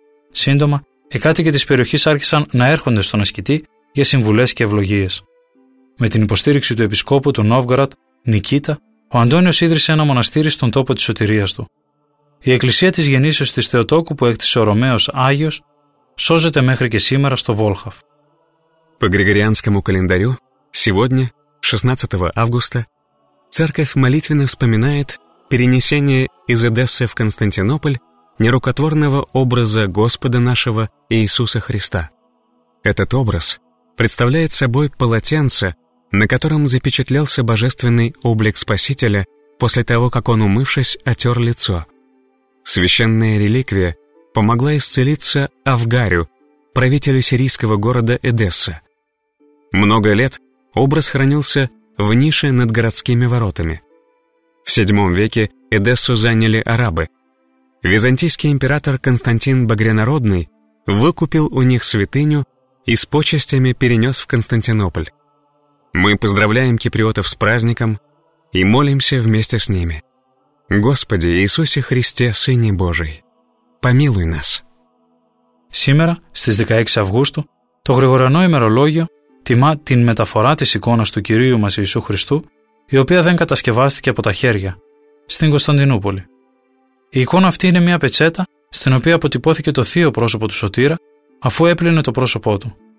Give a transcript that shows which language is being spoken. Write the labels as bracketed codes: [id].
[el] Σύντομα, οι κάτοικοι της περιοχής άρχισαν να έρχονται στον ασκητή για συμβουλές και ευλογίες. Με την υποστήριξη του επισκόπου του Νόβγαρατ, Νικήτα, ο ο Αντώνιος ίδρυσε ένα μοναστήρι στον τόπο της σωτηρίας του. Η εκκλησία της γεννήσεως της Θεοτόκου που έκτισε ο Ρωμαίος Άγιος σώζεται μέχρι και σήμερα στο Βόλχαφ. [ru] По григорианскому календарю, сегодня, 16 августа, церковь молитвенно вспоминает перенесение из Эдессы в Константинополь нерукотворного образа Господа нашего Иисуса Христа. Этот образ представляет собой полотенце, на котором запечатлелся божественный облик Спасителя после того, как он, умывшись, отер лицо. Священная реликвия помогла исцелиться Авгарю, правителю сирийского города Эдесса. Много лет образ хранился в нише над городскими воротами. В VII веке Эдессу заняли арабы. Византийский император Константин Багрянородный выкупил у них святыню и с почестями перенес в Константинополь. Мы поздравляем киприотов с праздником и молимся вместе с ними. Господи Иисусе Христе, Сыне Божий, помилуй нас. Сегодня, с 16 августа, то григорианское [el] ημερολόγιο τιμά την μεταφορά της εικόνας του Κυρίου μας Ιησού Χριστού, η οποία δεν κατασκευάστηκε από τα χέρια, στην Κωνσταντινούπολη. Η εικόνα αυτή είναι μια πετσέτα στην οποία αποτυπώθηκε το θείο πρόσωπο του Σωτήρα, αφού έπλυνε το πρόσωπό του.